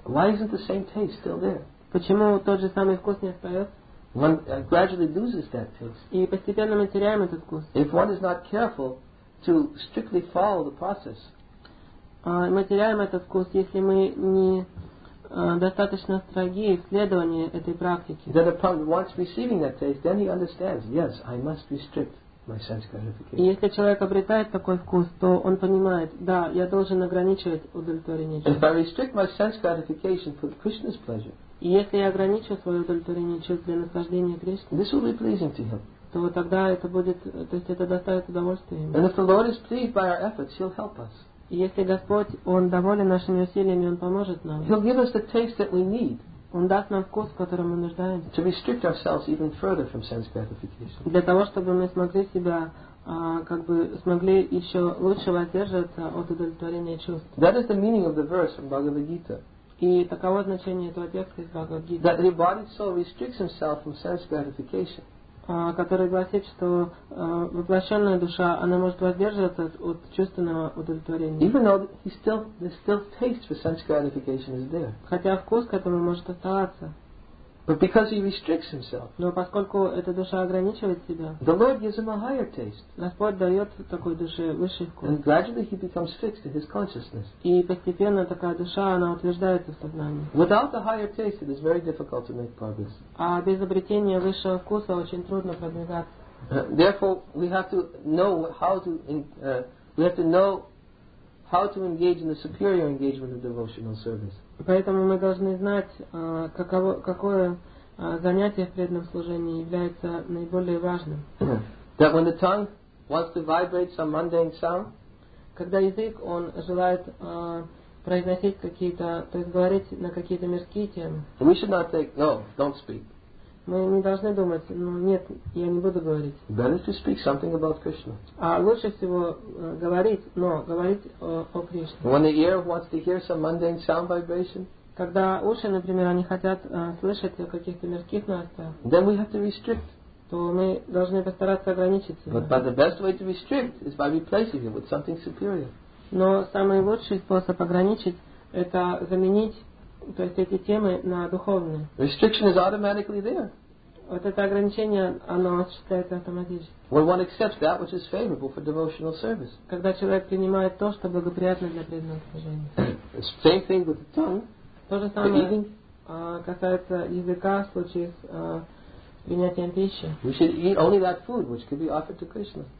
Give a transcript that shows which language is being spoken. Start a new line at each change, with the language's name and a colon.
English: Why isn't the same taste still there?
Russian: Почему тот же самый вкус не остается?
English: One gradually loses that taste.
Russian: И постепенно мы теряем этот вкус.
English: If one is not careful to strictly follow the process.
Russian: Мы теряем этот вкус, если мы не достаточно строгие исследования этой практики.
English: Then upon once receiving that taste, then he understands, yes, I must restrict my sense gratification.
Russian: И если человек обретает такой вкус, то он понимает, да, я должен ограничивать удовлетворение чувств.
English: If I restrict my sense gratification for Krishna's pleasure,
Russian: и если я ограничу свое удовлетворение чувств для наслаждения Кришны,
English: this will be pleasing to him.
Russian: То тогда это будет, то есть это доставит удовольствие ему.
English: And if the Lord is pleased by our efforts, he'll help us.
Russian: Если Господь, Он доволен нашими усилиями, Он поможет нам.
English: He'll give us the taste that we need.
Russian: Он даст нам вкус, в котором мы нуждаемся.
English: To restrict ourselves even further from sense gratification.
Russian: Для того, чтобы мы смогли себя, как бы смогли еще лучше воздерживаться от удовлетворения чувств.
English: That is the meaning of the verse from Bhagavad Gita.
Russian: И таково значение этого текста из Бхагавад Гиты.
English: That the embodied soul restricts himself from sense gratification.
Russian: Который гласит, что воплощенная душа, она может воздерживаться от чувственного удовлетворения.
English: Even though the still taste for sense gratification is there.
Russian: Хотя вкус к этому может оставаться.
English: But because he restricts himself.
Russian: Но поскольку эта душа ограничивает себя.
English: The Lord gives him a higher taste.
Russian: Господь дает такой душе высший вкус.
English: And gradually he becomes fixed in his consciousness.
Russian: И постепенно такая душа, она утверждается в сознании.
English: Without the higher taste, it is very difficult to make progress.
Russian: А без обретения высшего вкуса очень трудно продвигаться.
English: Therefore, we have to engage in the superior engagement of devotional service.
Russian: Поэтому мы должны знать, какое занятие в преданном служении является наиболее важным.
English: That when the tongue wants to vibrate some mundane sound,
Russian: когда язык, он желает произносить какие-то, то есть говорить на какие-то мирские темы,
English: we should not think, no, don't speak.
Russian: Мы не должны думать, ну нет, я не буду говорить.
English: Better to speak something about Krishna.
Russian: А лучше всего говорить, но говорить о Кришне.
English: When the ear wants to hear some mundane sound vibration.
Russian: Когда уши, например, они хотят слышать о каких-то мирских новостях.
English: Then we have to restrict.
Russian: То мы должны постараться ограничить себя.
English: But the best way to restrict is by replacing it with something superior.
Russian: Но самый лучший способ ограничить – это заменить. То есть эти темы на духовные.
English: Restriction is automatically there.
Russian: Вот это ограничение, оно осуществляется автоматически.
English: When one accepts that which is favorable for devotional service.
Russian: Когда человек принимает то, что благоприятно для преданного служения.
English: Same thing with the tongue.
Russian: То же самое касается языка в случае с принятием пищи.
English: We should eat only that food which could be offered to Krishna.